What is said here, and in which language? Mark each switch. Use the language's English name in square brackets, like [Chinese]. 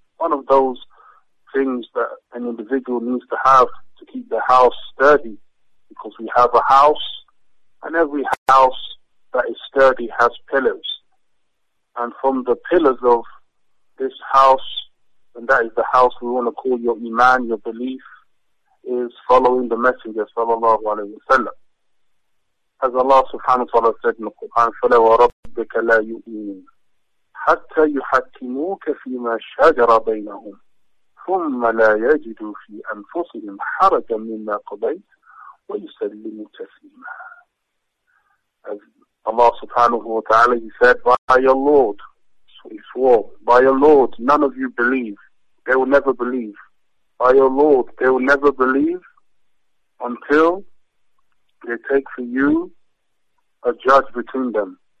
[English] One of those things that an individual needs to have to keep the house sturdy, because we have a house and every house that is sturdy has pillars. And from the pillars of this house, and that is the house we want to call your iman, your belief, is following the messenger sallallahu alayhi wa sallam. As Allah subhanahu wa ta'ala said in the Quran, [Arabic] فَلَا وَرَبِّكَ لَا يُؤْمِنُ حَتَّى يُحَكِّمُوكَ فِي مَا شَجَرَ بَيْنَهُمْ ثُمَّ لَا يَجِدُوا فِي أَنفُسِهِمْ حَرَجًا مِمَّا قَضَيْتَ وَيُسَلِّمُوا تَسْلِيمًا. [English] As Allah subhanahu wa ta'ala, he said, by your Lord, so he swore, by your Lord, none of you believe, they will never believe. By your Lord, they will never believe until they take for you a judge between them.